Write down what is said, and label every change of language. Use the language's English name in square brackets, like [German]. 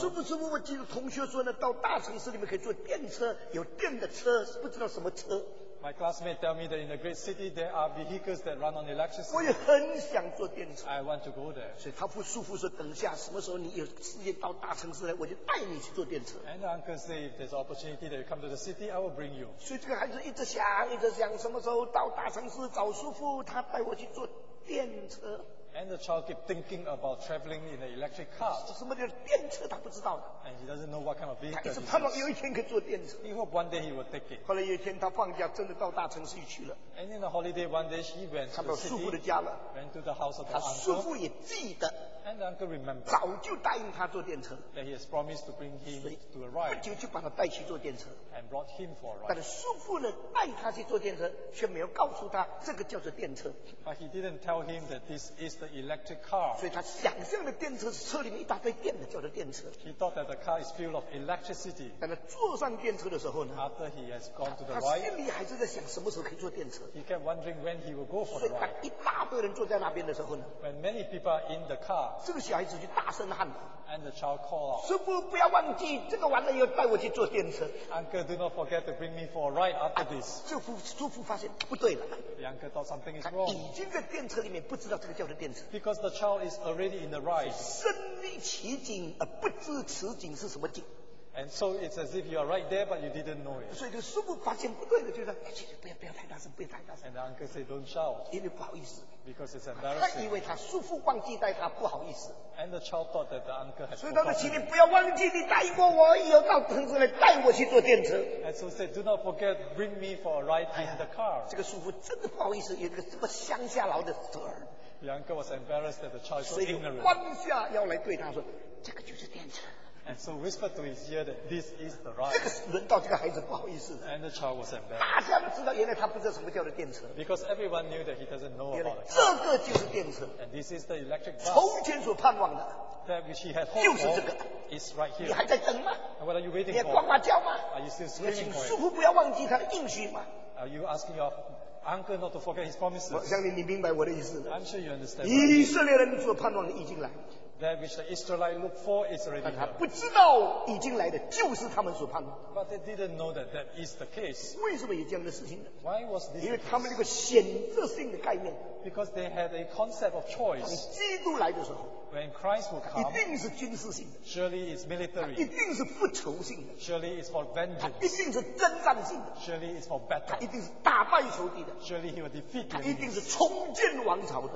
[Chinese] 叔父叔父，我记得同学说呢，到大城市里面可以坐电车，有电的车，不知道什么车。 [English] My classmate tell me that in the great city there are vehicles that run on electricity. [Chinese] 我也很想坐电车。 [English] I want to go there. [Chinese] 所以他父叔父说，等一下什么时候你有时间到大城市来，我就带你去坐电车。 [English] And the uncle say if there's opportunity that you come to the city, I will bring you. [Chinese] 所以这个孩子一直想，一直想什么时候到大城市找叔父，他带我去坐电车。 [English] And the child keeps thinking about traveling in an electric car. [Chinese] 什么电车他不知道的。 [English] And he doesn't know what kind of vehicle. [Chinese] 他一直盼望有一天可以坐电车。 [English] He hopes one day he will take it. [Chinese] 后来有一天他放假真的到大城市去了。 [English] And in the holiday one day he went to the city. [Chinese] 看到叔父的家了。 [English] Went to the house of the uncle. [Chinese] 叔父也记得。 [English] And the uncle remembered. [Chinese] 早就答应他坐电车。 [English] That he has promised to bring him to a ride. [Chinese] 不久就把他带去坐电车。 [English] And brought him for a ride. [Chinese] 但是叔父呢带他去坐电车，却没有告诉他这个叫做电车。 [English] But he didn't tell him that this is the electric car. [Chinese] 所以他想象的电车是车里面一大堆电的，叫做电车。 [English] He thought that the car is filled of electricity. [Chinese] 但是坐上电车的时候呢， [English] After he has gone to the ride, [Chinese] 他心里还是在想什么时候可以坐电车。 [English] He kept wondering when he will go for the ride. [Chinese] 所以他一大堆人坐在那边的时候呢， [English] When many people are in the car, [Chinese] 这个小孩子就大声喊， [English] And the child called out, [Chinese] 师父不要忘记，这个完了以后带我去坐电车。 [English] Uncle, do not forget to bring me for a ride after this. [Chinese] 师父发现不对了。 [English] The uncle thought something is wrong. [Chinese] 已经在电车里面，不知道这个叫做电车。 [English] Because the child is already in the ride. [Chinese] 身历其境，而不知此景是什么景。 [English] And so it's as if you are right there, but you didn't know it. [Chinese] 所以这个师父发现不对了，就说：“哎，不要太大声，不要太大声。” [English] And the uncle said, "Don't shout." [Chinese] 因为不好意思。 [English] Because it's embarrassing. [Chinese] 他以为他师父忘记带他，不好意思。 [English] And the child thought that the uncle had forgotten. [Chinese] 所以他说：“请你不要忘记，你答应过我，以后到城市来带我去坐电车。” [English] And so said, "Do not forget, bring me for a ride in the car." [Chinese] 这个师父真的不好意思，有一个这么乡下佬的侄儿。 [English] The uncle was embarrassed that the child is so ignorant. [Chinese] 所以弯下腰来对他说：“这个就是电车。” [English] And so whispered to his ear that this is the ride. [Chinese] 这个轮到这个孩子不好意思的。 [English] And the child was embarrassed. [Chinese] 大家都知道，原来他不知道什么叫做电车。 [English] Because everyone knew that he doesn't know about it. [Chinese] 这个就是电车。 [English] And this is the electric bus. [Chinese] 从前所盼望的。 [English] That which he had hoped for is right here. [Chinese] 你还在等吗？ [English] And what are you waiting for? [Chinese] 你还呱呱叫吗？ [English] Are you still screaming for it? [Chinese] 请师父不要忘记他的应许吗？ [English] Are you asking your uncle not to forget his promises? [Chinese] 我相信你明白我的意思的。 [English] I'm sure you understand. [Chinese] 以色列人所盼望的已经来。 [English] That which the Israelites look for is already here. [Chinese] 但他不知道已经来的就是他们所盼望的。 [English] But they didn't know that that is the case. [Chinese] 为什么有这样的事情呢？ [English] Why was this? [Chinese] 因为他们有个选择性的概念。 [English] Because they had a concept of choice. [Chinese] 当基督来的时候， [English] When Christ will come, [Chinese] 一定是军事性的。 [English] Surely it's military. [Chinese] 一定是复仇性的。 [English] Surely it's for vengeance. [Chinese] 一定是征战性的。 [English] Surely it's for battle. [Chinese] 一定是打败仇敌的。 [English] Surely he will defeat [Chinese] them. 一定是重建王朝的。